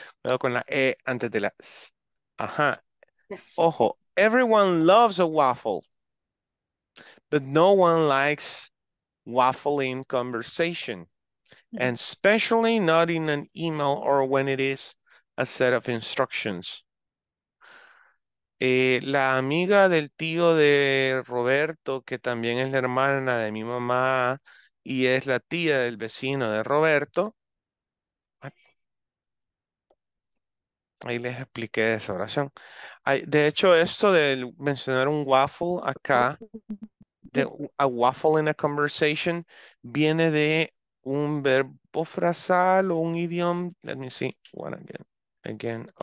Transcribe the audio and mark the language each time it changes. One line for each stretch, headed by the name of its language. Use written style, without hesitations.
Spanish: Luego con la E antes de la S. Ajá.
English: Specific.
Spanish: Ojo.
English: Everyone loves a waffle, but no one likes waffling conversation. And especially not in an email or when it is a set of instructions.
Spanish: La amiga del tío de Roberto, que también es la hermana de mi mamá y es la tía del vecino de Roberto. Ahí les expliqué esa oración. Ay, de hecho, esto de mencionar un waffle acá, de
English: a waffle in a conversation,
Spanish: viene de un verbo frasal o un idioma.
English: Let me see. One again. Again.